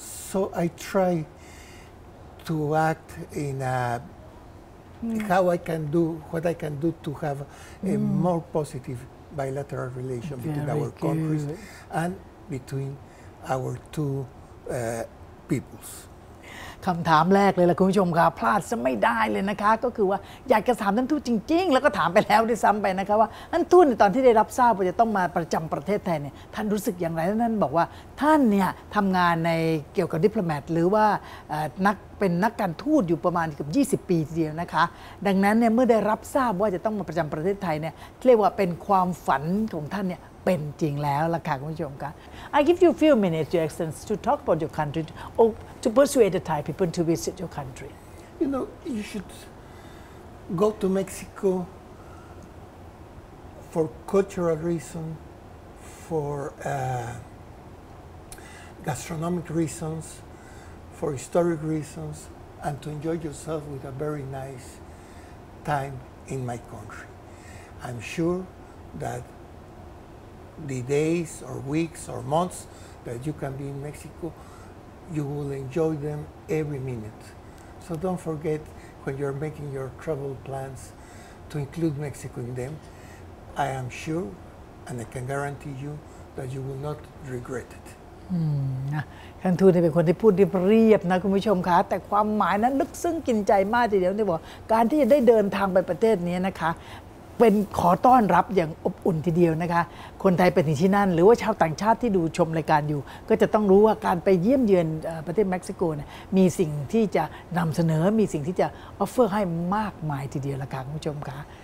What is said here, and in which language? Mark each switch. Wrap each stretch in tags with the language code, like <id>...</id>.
<en>So I try to act in how I can do, what I can do to have a more positive bilateral relation between our countries and between our two peoples.</en> <th>คำถามแรกเลยล่ะคุณผู้ชมค่ะพลาดซะไม่ได้เลยนะคะก็คือว่าอยากจะถามท่านทูตจริงๆแล้วก็ถามไปแล้วด้วยซ้ำไปนะคะว่าท่านทูตตอนที่ได้รับทราบว่าจะต้องมาประจำประเทศไทยเนี่ยท่านรู้สึกอย่างไรนั่นบอกว่าท่านเนี่ยทำงานในเกี่ยวกับดิปโลแมตหรือว่า นักเป็นนักการทูตอยู่ประมาณเกือบ20ปีทีเดียวนะคะดังนั้นเนี่ยเมื่อได้รับทราบว่าจะต้องมาประจำประเทศไทยเนี่ยเรียกว่าเป็นความฝันของท่านเนี่ยเป็นจริงแล้วล่ะค่ะคุณผู้ชมคะ</th> <en>I give you a few minutes, Your Excellency, to talk about your country or to persuade the Thai people to visit your country. You know, you should go to Mexico for cultural reason, for gastronomic reasons, for historic reasons, and to enjoy yourself with a very nice time in my country. I'm sure that the days or weeks or months that you can be in Mexico, you will enjoy them every minute. So don't forget, when you're making your travel plans, to include Mexico in them. I am sure, and I can guarantee you, that you will not regret it.</en> <th>ท่านทูตเป็นคนที่พูดเรียบนะคุณผู้ชมคะแต่ความหมายนั้นลึกซึ้งกินใจมากทีเดียวที่บอกการที่จะได้เดินทางไปประเทศนี้นะคะเป็นขอต้อนรับอย่างอบอุ่นทีเดียวนะคะคนไทยไปถึงที่นั่นหรือว่าชาวต่างชาติที่ดูชมรายการอยู่ก็จะต้องรู้ว่าการไปเยี่ยมเยือนประเทศเม็กซิโกเนี่ยมีสิ่งที่จะนำเสนอมีสิ่งที่จะออฟเฟอร์ให้มากมายทีเดียวละค่ะคุณผู้ชมคะ</th>